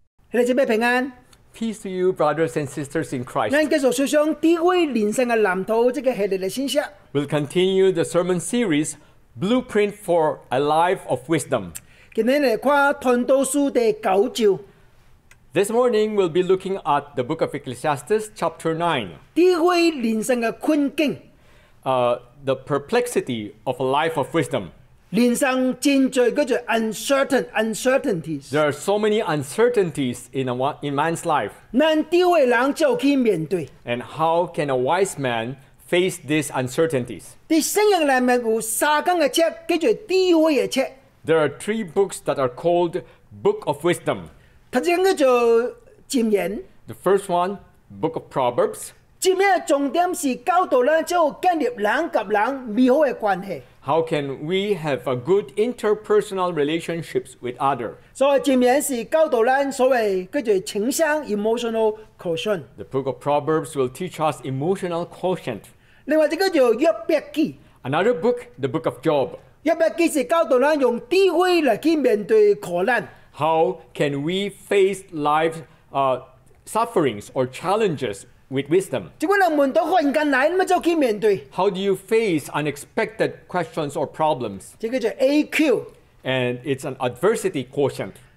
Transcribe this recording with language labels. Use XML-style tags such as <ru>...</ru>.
<zh>你的姊妹平安，</zh> <en>Peace to you brothers and sisters in Christ。</en> <zh>我们继续思想智慧人生的蓝图，这个系列的信息。</zh> <en>We'll continue the sermon series Blueprint for a Life of Wisdom。</en> <zh>今天来看传道书第九章。</zh> <en>This morning, we'll be looking at the book of Ecclesiastes, chapter 9.</en> <zh>智慧人生的困境。</zh> <en>The perplexity of a life of wisdom.</en> <zh>人生真多叫做 uncertainties.</zh> <en>There are so many uncertainties in man's life.</en> <zh>咱智慧人就去面对。</zh> <en>And how can a wise man face these uncertainties?</en> <zh>在圣经里面有三卷的册叫做智慧的册。</zh> <en>There are three books that are called Book of Wisdom. The first one, Book of Proverbs.</en> <zh>箴言的重点是教导咱怎样建立人和人美好的关系。</zh> <en>How can we have a good interpersonal relationships with other?</en> <zh>所以箴言是教导咱所谓叫做情商</zh> <en>emotional quotient. The Book of Proverbs will teach us emotional quotient.</en> <zh>另外一个叫约伯记。</zh> <en>Another book, the Book of Job.</en> <zh>约伯记是教导咱用智慧来去面对苦难。</zh> <en>How can we face life's sufferings or challenges with wisdom? How do you face unexpected questions or problems? And it's an adversity quotient.</en>